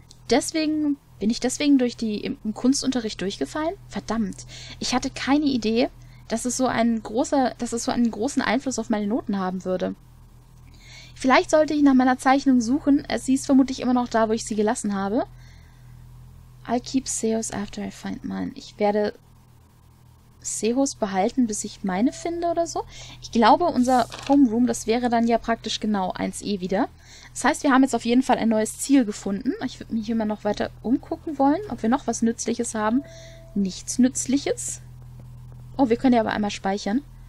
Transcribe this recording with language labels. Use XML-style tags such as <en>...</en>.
<de>Bin ich deswegen im Kunstunterricht durchgefallen? Verdammt. Ich hatte keine Idee, dass es so einen großen Einfluss auf meine Noten haben würde. Vielleicht sollte ich nach meiner Zeichnung suchen. Sie ist vermutlich immer noch da, wo ich sie gelassen habe.</de> <en>I'll keep Seos after I find mine.</en> <de>Ich werde Seos behalten, bis ich meine finde oder so. Ich glaube, unser Homeroom, das wäre dann ja praktisch genau 1E wieder. Das heißt, wir haben jetzt auf jeden Fall ein neues Ziel gefunden. Ich würde mich immer noch weiter umgucken wollen, ob wir noch was Nützliches haben. Nichts Nützliches. Oh, wir können ja aber einmal speichern.</de>